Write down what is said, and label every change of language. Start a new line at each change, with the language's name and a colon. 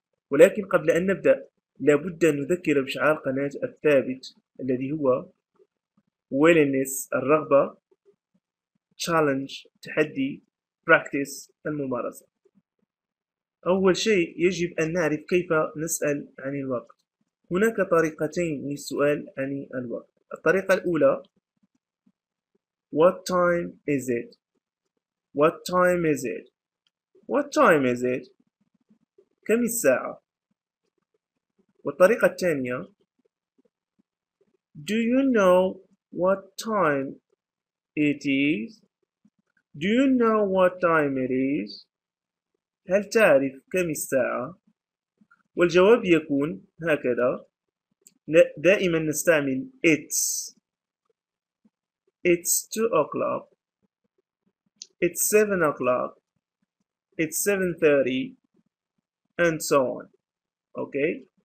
Arabic: ولكن قبل أن نبدأ لابد أن نذكر بشعار قناة الثابت الذي هو willingness الرغبة، challenge تحدي، practice الممارسة. أول شيء يجب أن نعرف كيف نسأل عن الوقت. هناك طريقتين للسؤال عن الوقت. الطريقة الأولى
English: what time is it؟ what time is it؟ what time is it؟
Arabic: كم الساعة؟ والطريقة الثانية
English: do you know what time it is? Do you know what time it is?
Arabic: هل تعرف كم الساعة؟ والجواب يكون هكذا. دائما نستعمل it's.
English: It's 2 o'clock. It's 7 o'clock. It's 7:30. And so on. Okay.